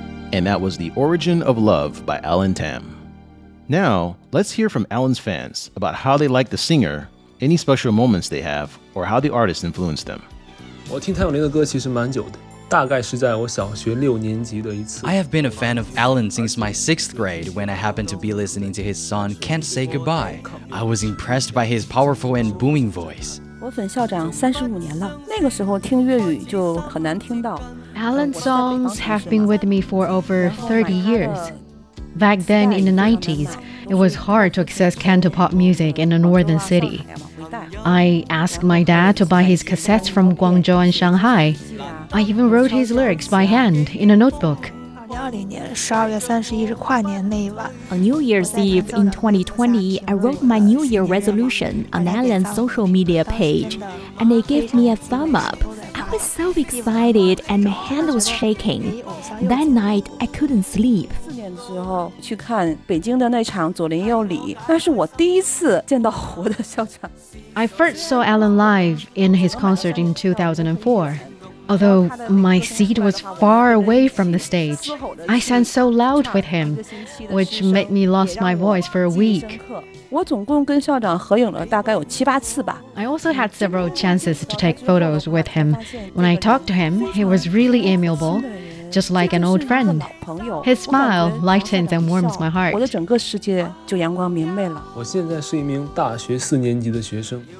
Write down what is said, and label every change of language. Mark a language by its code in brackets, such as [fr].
[en] And that was The Origin of Love by Alan Tam. Now, let's hear from Alan's fans about how they like the singer, any special moments they have, or how the artist influenced them. [zh] 我听谭咏麟的歌其实蛮久的，大概是在我小学六年级的一次。 [en] I have been a fan of Alan since my sixth grade when I happened to be listening to his song Can't Say Goodbye. I was impressed by his powerful and booming voice. [zh] 我粉校长35年了，那个时候听粤语就很难听到。 [en] Alan's songs have been with me for over 30 years. Back then in the 90s, it was hard to access Cantopop music in a northern city. I asked my dad to buy his cassettes from Guangzhou and Shanghai. I even wrote his lyrics by hand in a notebook. On New Year's Eve in 2020, I wrote my New Year resolution on Alan's social media page, and they gave me a thumb up. I was so excited and my hand was shaking. That night, I couldn't sleep. [zh] 4年之后去看北京的那场左邻右里，那是我第一次见到活的校长。 [en] I first saw Alan live in his concert in 2004. Although my seat was far away from the stage, I sang so loud with him, which made me lose my voice for a week. [zh] 我总共跟校长合影了大概有七八次吧。 [en] I also had several chances to take photos with him. When I talked to him, he was really amiable, just like an old friend. His smile lightens and warms my heart. [zh] 我的整个世界就阳光明媚了。我现在是一名大学四年级的学生。